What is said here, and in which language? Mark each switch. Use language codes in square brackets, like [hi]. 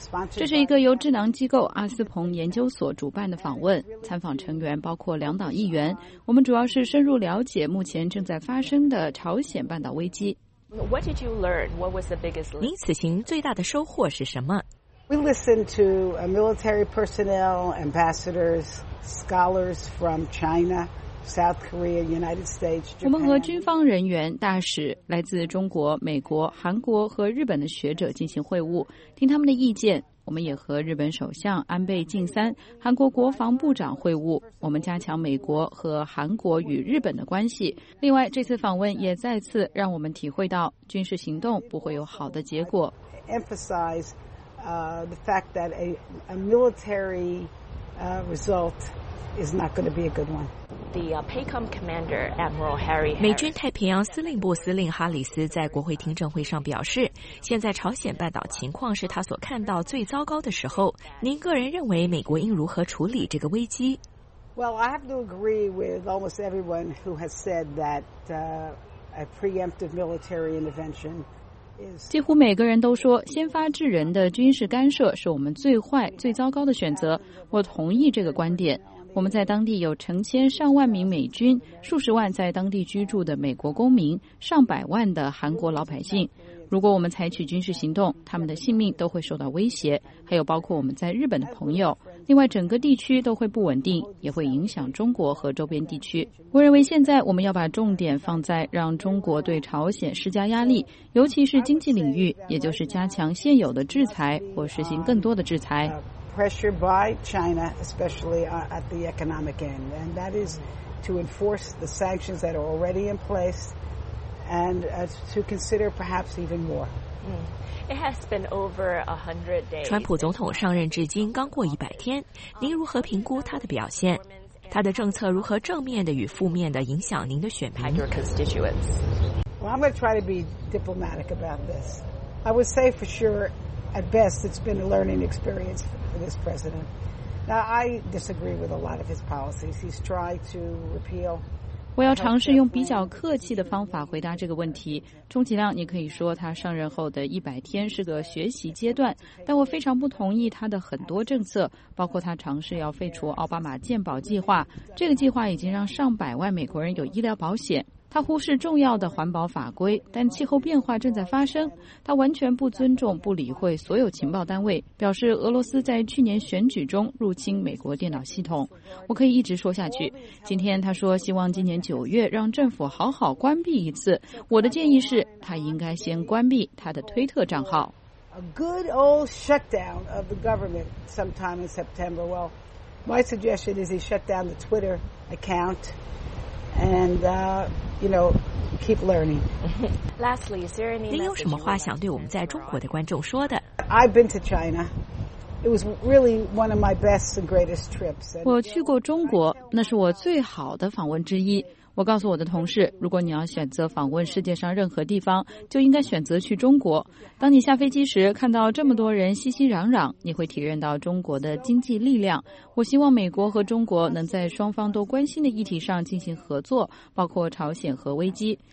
[zh] 这是一个由智囊机构阿斯彭研究所主办的访问，参访成员包括两党议员。我们主要是深入了解目前正在发生的朝鲜半岛危机。您此行最大的收获是什么？ [en] We listened to military personnel, ambassadors, scholars from China, South Korea, United States, Japan. [zh] 我们和军方人员、大使、来自中国、美国、韩国和日本的学者进行会晤，听他们的意见。我们也和日本首相安倍晋三、韩国国防部长会晤，我们加强美国和韩国与日本的关系。另外，这次访问也再次让我们体会到军事行动不会有好的结果。 [en] The fact that a military result is not going to be a good one. The PACOM commander, Admiral Harry. [zh] 美军太平洋司令部司令哈里斯在国会听证会上表示，现在朝鲜半岛情况是他所看到最糟糕的时候。您个人认为美国应如何处理这个危机？ [en] Well, I have to agree with almost everyone who has said that a preemptive military intervention. [zh] 几乎每个人都说，先发制人的军事干涉是我们最坏、最糟糕的选择。我同意这个观点。我们在当地有成千上万名美军，数十万在当地居住的美国公民，上百万的韩国老百姓。如果我们采取军事行动，他们的性命都会受到威胁，还有包括我们在日本的朋友。另外，整个地区都会不稳定，也会影响中国和周边地区。我认为现在我们要把重点放在让中国对朝鲜施加压力，尤其是经济领域，也就是加强现有的制裁或实行更多的制裁。 [en] Pressure by China, especially at the economic end, and that is to enforce the sanctions that are already in place, and to consider perhaps even more. It has been over 100 days. [zh] 川普总统上任至今刚过100天，您如何评估他的表现？他的政策如何正面的与负面的影响您的选民 [en] ？Your constituents. Well, I'm going to try to be diplomatic about this. I would say for sure. At best, it's been a learning experience for this president. Now, I disagree with a lot of his policies. He's tried to repeal. [zh] 我要尝试用比较客气的方法回答这个问题。充其量，你可以说他上任后的100天是个学习阶段，但我非常不同意他的很多政策，包括他尝试要废除奥巴马健保计划。这个计划已经让上百万美国人有医疗保险。他忽视重要的环保法规，但气候变化正在发生。他完全不尊重、不理会所有情报单位，表示俄罗斯在去年选举中入侵美国电脑系统。我可以一直说下去。今天他说希望今年9月让政府好好关闭一次。我的建议是，他应该先关闭他的推特账号。 [en] A good old shutdown of the government sometime in September. Well, my suggestion is he shut down the Twitter account. And, you know, keep learning. Lastly, is there any? [zh] 您有什么话想对我们在中国的观众说的 [en] ？I've been to China. It was really one of my best and greatest trips. [zh] 我去过中国，那是我最好的访问之一。我告诉我的同事，如果你要选择访问世界上任何地方，就应该选择去中国。当你下飞机时，看到这么多人熙熙攘攘，你会体认到中国的经济力量。我希望美国和中国能在双方都关心的议题上进行合作，包括朝鲜核危机。